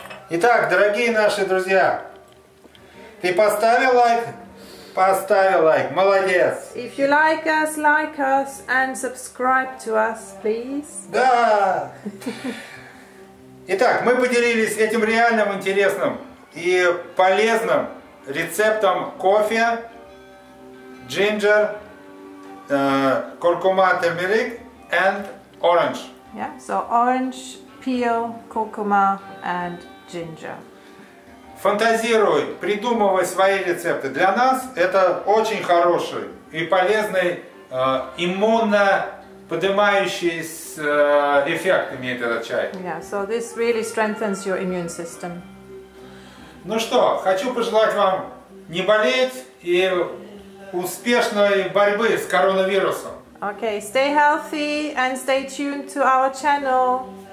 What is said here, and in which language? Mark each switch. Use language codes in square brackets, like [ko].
[ru] Итак, дорогие наши друзья, ты поставил лайк? Поставил лайк, молодец! [en] If you like us and subscribe to us, please. [ru] Да! Итак, мы поделились этим реальным, интересным и полезным рецептом кофе, джинджер, куркума, тамерик [en] and orange. Yeah, so orange, peel, kurkuma and ginger. [ru] Фантазируй, придумывай свои рецепты. Для нас это очень хороший и полезный иммуноподнимающий эффект имеет этот чай. [en] Yeah, so this really strengthens your immune system. [ru] Ну что, хочу пожелать вам не болеть и успешной борьбы с коронавирусом. [en] Okay, stay healthy and stay tuned to our channel.